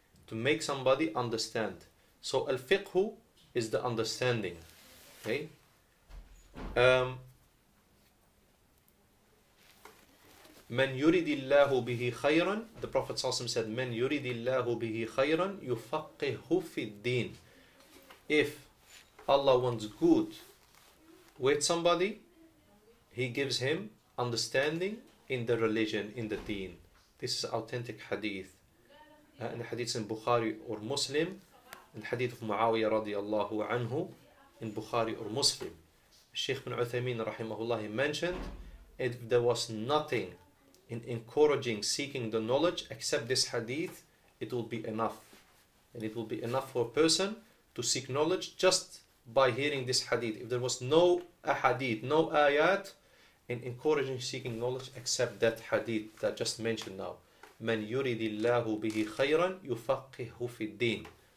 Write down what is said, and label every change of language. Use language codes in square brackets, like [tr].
[en] To make somebody understand. So الفقه is the understanding. Okay. [ar] من يريد الله به خيرا. [en] The Prophet صلى الله عليه وسلم said [ar] من يريد الله به خيرا يفقهه في الدين. [en] If Allah wants good with somebody, he gives him understanding in the religion, in the deen. This is authentic hadith. In hadith in Bukhari or Muslim, in hadith of Muawiyah radiallahu anhu, in Bukhari or Muslim, Sheikh bin Uthaymeen rahimahullah mentioned, if there was nothing in encouraging seeking the knowledge except this hadith, it will be enough. And it will be enough for a person to seek knowledge just by hearing this hadith. If there was no hadith, no ayat, in encouraging seeking knowledge except that hadith that I just mentioned now. [ar] من يريد الله به خيرا يفقهه في الدين.